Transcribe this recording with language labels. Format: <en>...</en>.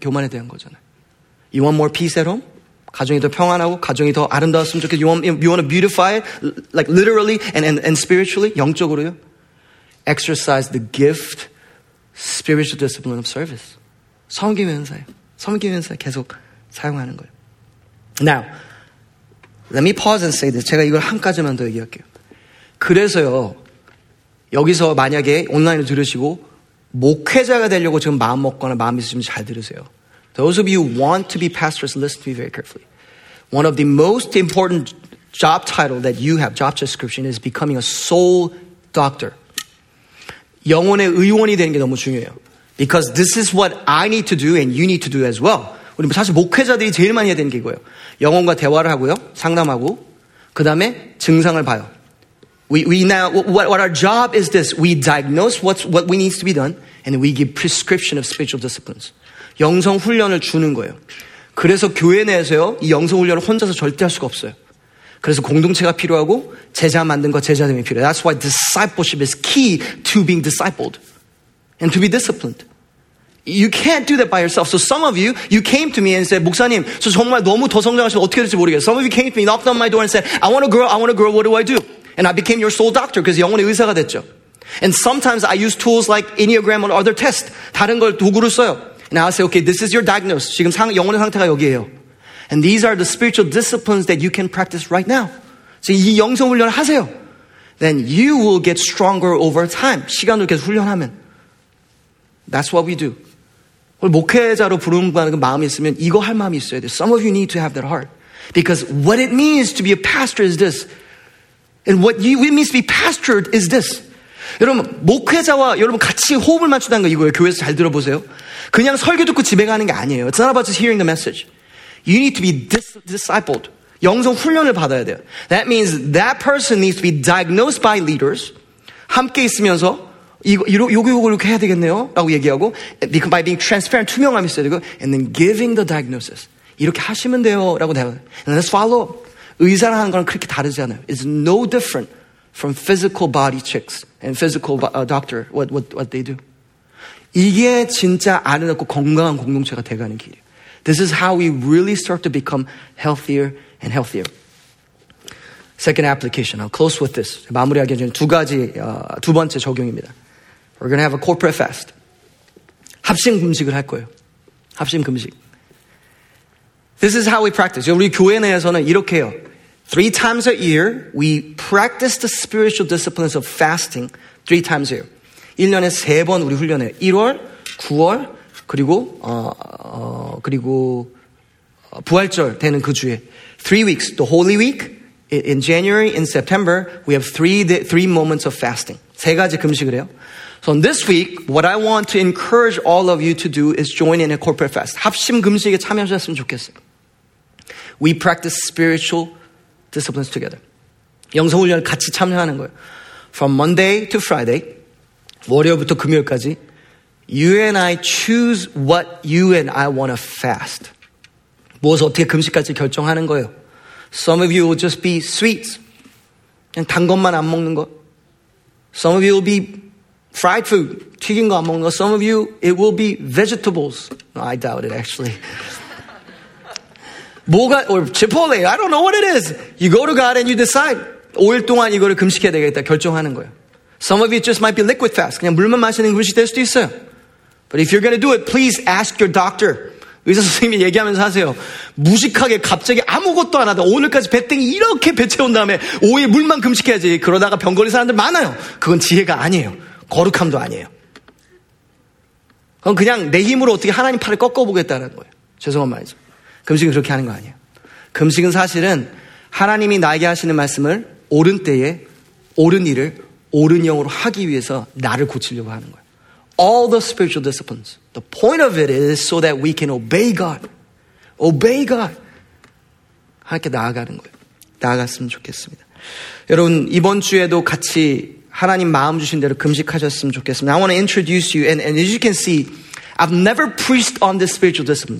<ko>교만에 대한 거잖아요.</ko> <en>You want more peace at home?</en> <ko>가정이 더 평안하고 가정이 더 아름다웠으면 좋겠어.</ko> <en>You want to beautify it, like literally and spiritually,</en> <ko>영적으로요.</ko> <en>Exercise the gift, spiritual discipline of service.</en> <ko>섬기면서요. 섬기면서 계속 사용하는 거예요.</ko> <en>Now, let me pause and say this.</en> <ko>제가 이걸 한 가지만 더 얘기할게요. 그래서요, 여기서 만약에 온라인을 들으시고 목회자가 되려고 지금 마음 먹거나 마음 있으시면 잘 들으세요.</ko> <en>Those of you who want to be pastors, listen to me very carefully. One of the most important job title that you have, job description, is becoming a soul doctor.</en> <ko>영혼의 의원이 되는 게 너무 중요해요.</ko> <en>Because this is what I need to do and you need to do as well.</en> <ko>우리 사실 목회자들이 제일 많이 해야 되는 게 이거예요. 영혼과 대화를 하고요. 상담하고. 그 다음에 증상을 봐요.</ko> <en>We now, what our job is this. We diagnose what needs to be done and we give prescription of spiritual disciplines.</en> <ko>영성훈련을 주는 거예요. 그래서 교회 내에서요, 이 영성훈련을 혼자서 절대 할 수가 없어요. 그래서 공동체가 필요하고, 제자 만든 거 제자됨이 필요해요.</ko> <en>That's why discipleship is key to being discipled and to be disciplined. You can't do that by yourself. So some of you, you came to me and said,</en> <ko>목사님, 저 정말 너무 더 성장하시면 어떻게 될지 모르겠어요.</ko> <en>Some of you came to me, knocked on my door and said, I want to grow, what do I do? And I became your soul doctor, because</en> <ko>영혼의 의사가 됐죠.</ko> <en>And sometimes I use tools like Enneagram or other tests,</en> <ko>다른 걸 도구로 써요.</ko> <en>Now I say, okay, this is your diagnosis.</en> <ko>지금 영혼의 상태가 여기예요.</ko> <en>And these are the spiritual disciplines that you can practice right now.</en> <ko>지금 이 영성훈련을 하세요.</ko> <en>Then you will get stronger over time.</en> <ko>시간을 계속 훈련하면.</ko> <en>That's what we do.</en> <ko>목회자로 부른다는 마음이 있으면 이거 할 마음이 있어야 돼.</ko> <en>Some of you need to have that heart. Because what it means to be a pastor is this. And what it means to be pastored is this.</en> <ko>여러분 목회자와 여러분 같이 호흡을 맞추다는 거 이거예요. 교회에서 잘 들어보세요. 그냥 설교 듣고 집에 가는 게 아니에요.</ko> <en>It's not about just hearing the message. You need to be discipled.</en> <ko>영성 훈련을 받아야 돼요.</ko> <en>That means that person needs to be diagnosed by leaders.</en> <ko>함께 있으면서 이렇게 해야 되겠네요 라고 얘기하고</ko> <en>by being transparent,</en> <ko>투명함이 있어야 되고</ko> <en>and then giving the diagnosis.</en> <ko>이렇게 하시면 돼요 라고 대화.</ko> <en>And let's follow up.</en> <ko>의사랑 하는 거랑 그렇게 다르지 않아요.</ko> <en>It's no different from physical body checks and physical doctor, what they do.</en> <ko>이게 진짜 아름답고 건강한 공동체가 돼가는 길이에요.</ko> <en>This is how we really start to become healthier and healthier. Second application. I'll close with this.</en> <ko>마무리하기 전에 두 번째 적용입니다.</ko> <en>We're going to have a corporate fast.</en> <ko>합심 금식을 할 거예요. 합심 금식.</ko> <en>This is how we practice.</en> <ko>우리 교회 내에서는 이렇게 해요.</ko> <en>Three times a year, we practice the spiritual disciplines of fasting three times a year.</en> <ko>1년에 세 번 우리 훈련해요. 1월, 9월, 그리고 부활절 되는 그 주에.</ko> <en>3 weeks, the Holy Week, in January, in September, we have three moments of fasting.</en> <ko>세 가지 금식을 해요.</ko> <en>So this week, what I want to encourage all of you to do is join in a corporate fast.</en> <ko>합심 금식에 참여하셨으면 좋겠어요.</ko> <en>We practice spiritual disciplines together.</en> <ko>영성훈련을 같이 참여하는 거예요.</ko> <en>From Monday to Friday,</en> <ko>월요일부터 금요일까지,</ko> <en>you and I choose what you and I want to fast.</en> <ko>무엇을 어떻게 금식까지 결정하는 거예요.</ko> <en>Some of you will just be sweets.</en> <ko>그냥 단 것만 안 먹는 거.</ko> <en>Some of you will be fried food.</en> <ko>튀긴 거 안 먹는 거.</ko> <en>Some of you, it will be vegetables. No, I doubt it actually. 뭐가 or Chipotle, I don't know what it is. You go to God and you decide.</en> <ko>5일 동안 이거를 금식해야 되겠다 결정하는 거예요.</ko> <en>Some of you just might be liquid fast.</en> <ko>그냥 물만 마시는 금식 될 수도 있어요.</ko> <en>But if you're going to do it, please ask your doctor.</en> <ko>의사 선생님이 얘기하면서 하세요. 무식하게 갑자기 아무것도 안 하다 오늘까지 배땡이 이렇게 배채운 다음에 5일 물만 금식해야지. 그러다가 병 걸린 사람들 많아요. 그건 지혜가 아니에요. 거룩함도 아니에요. 그건 그냥 내 힘으로 어떻게 하나님 팔을 꺾어보겠다는 거예요. 죄송한 말이죠. 금식은 그렇게 하는 거 아니에요. 금식은 사실은 하나님이 나에게 하시는 말씀을 옳은 때에 옳은 일을 옳은 영으로 하기 위해서 나를 고치려고 하는 거예요.</ko> <en>All the spiritual disciplines. The point of it is so that we can obey God. Obey God.</en> <ko>함께 나아가는 거예요. 나아갔으면 좋겠습니다. 여러분 이번 주에도 같이 하나님 마음 주신 대로 금식하셨으면 좋겠습니다.</ko> <en>I want to introduce you. And as you can see, I've never preached on this spiritual discipline.</en>